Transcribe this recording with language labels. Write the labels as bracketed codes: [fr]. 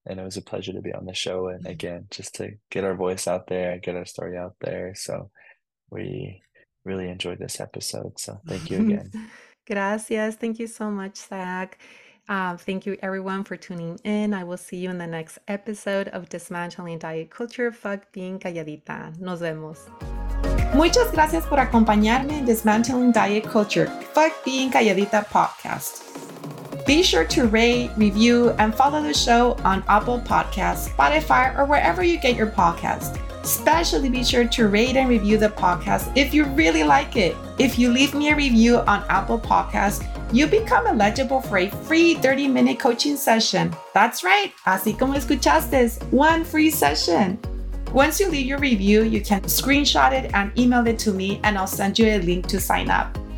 [en] And it was a pleasure to be on the show. And again, just to get our voice out there, get our story out there. So we really enjoyed this episode. So thank you again. [es] Gracias. [en] Thank you so much, Zach. Thank you, everyone, for tuning in. I will see you in the next episode of Dismantling Diet Culture. [es] Fuck being calladita. Nos vemos. Muchas gracias por acompañarme en Dismantling Diet Culture. [en] Fuck being calladita podcast. Be sure to rate, review, and follow the show on Apple Podcasts, Spotify, or wherever you get your podcasts. Especially be sure to rate and review the podcast if you really like it. If you leave me a review on Apple Podcasts, you become eligible for a free 30-minute coaching session. That's right, [es] así como escuchaste, [en] one free session. Once you leave your review, you can screenshot it and email it to me, and I'll send you a link to sign up.